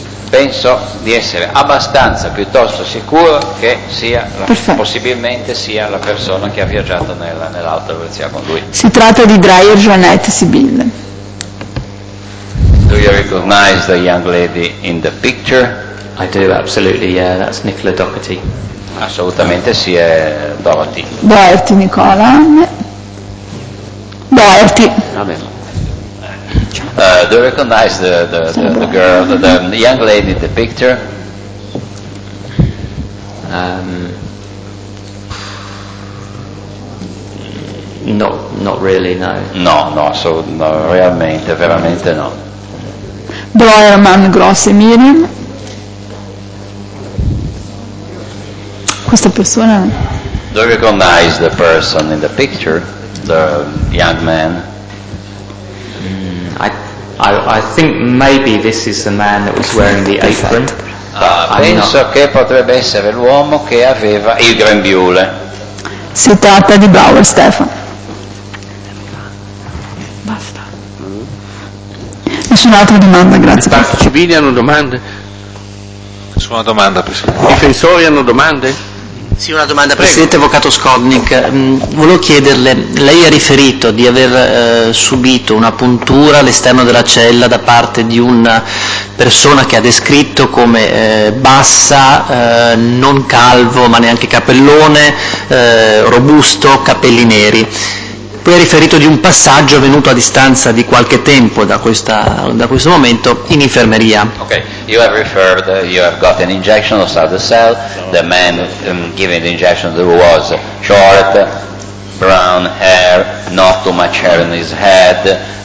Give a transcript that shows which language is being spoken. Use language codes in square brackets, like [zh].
[it] Penso di essere abbastanza piuttosto sicuro che sia possibilmente sia la persona che ha viaggiato nell'auto polizia con lui. Si tratta di Dreyer Jeanette Sibylle. [en] Do you recognize the young lady in the picture? I do, absolutely, yeah, that's Nicola Doherty. [it] Assolutamente sì, è Doherty. Doherty, Nicola. Doherty. Va bene. [en] Do you recognize the girl, the young lady in the picture? Not really, no. [it] No, so no, realmente, veramente no. Breuermann Grossi Miriam. Questa persona. [en] Do you recognize the person in the picture, the young man? I think maybe this is the man that was wearing the apron. [it] Penso che potrebbe essere l'uomo che aveva il grembiule. Si tratta di Bauer Stefan. Basta. Nessun'altra domanda, grazie. I civili hanno domande? Nessuna domanda, Presidente. I difensori hanno domande? Sì, una domanda. Presidente. Prego. Avvocato Skodnik, volevo chiederle, lei ha riferito di aver subito una puntura all'esterno della cella da parte di una persona che ha descritto come bassa, non calvo ma neanche capellone, robusto, capelli neri. Poi ha riferito di un passaggio avvenuto a distanza di qualche tempo da questo momento in infermeria. [en] Okay, you have referred, you have got an injection of the cell. The man giving the injection was short, brown hair, not too much hair in his head.